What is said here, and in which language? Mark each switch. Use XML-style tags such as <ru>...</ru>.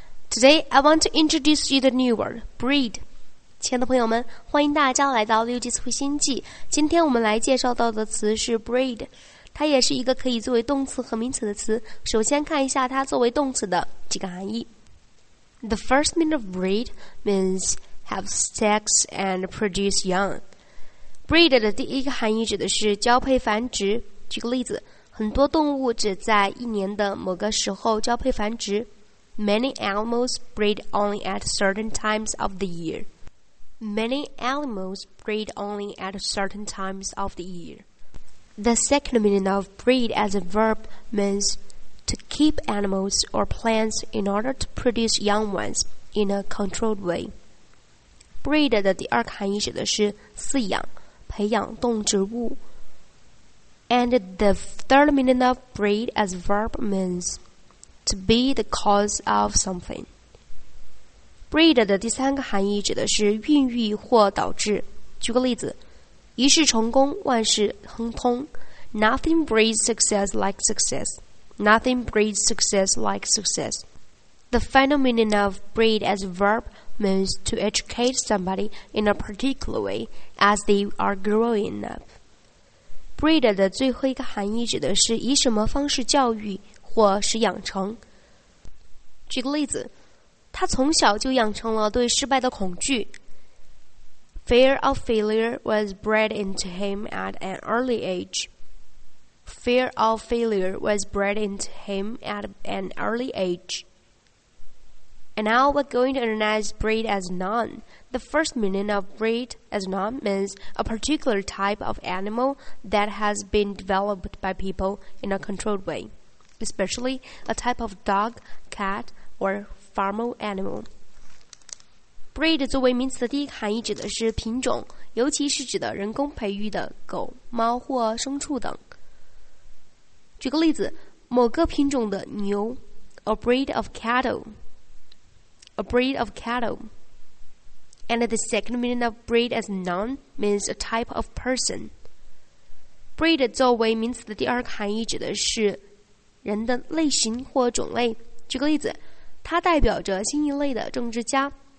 <en>Today, I want to introduce you the new word, breed.</en> <zh>亲爱的朋友们，欢迎大家来到六级词汇星际。今天我们来介绍到的词是 breed， 它也是一个可以作为动词和名词的词。首先看一下它作为动词的几个含义。</zh> <en>The first meaning of breed means have sex and produce young.</en> <zh>Breed 的第一个含义指的是交配繁殖。举个例子，很多动物只在一年的某个时候交配繁殖。</zh> <en>Many animals breed only at certain times of the year. Many animals breed only at certain times of the year. The second meaning of breed as a verb means to keep animals or plants in order to produce young ones in a controlled way.</en> <zh>Breed 的第二个含义指的是饲养、培养动植物。</zh> <en>And the third meaning of breed as a verb means to be the cause of something.</en> <zh>Breed 的第三个含义指的是孕育或导致。举个例子，一事成功，万事亨通。</zh> <en>Nothing breeds success like success. Nothing breeds success like success. The final meaning of breed as a verb means to educate somebody in a particular way as they are growing up.</en> <zh>Breed 的最后一个含义指的是以什么方式教育或是养成。举个例子，他从小就养成了对失败的恐惧。</zh> <en>Fear of failure was bred into him at an early age. Fear of failure was bred into him at an early age. And now we're going to analyze breed as noun. The first meaning of breed as noun means a particular type of animal that has been developed by people in a controlled way, especially a type of dog, cat, or farm animal.</en> <zh>Breed 作为名词的第一个含义指的是品种，尤其是指的人工培育的狗、猫或牲畜等。举个例子，某个品种的牛 , a breed of cattle.</zh> <en>And the second meaning of breed as noun means a type of person.</en> <zh>Breed 作为名词的第二个含义指的是人的类型或种类。举个例子，它代表着新一类的政治家。</zh>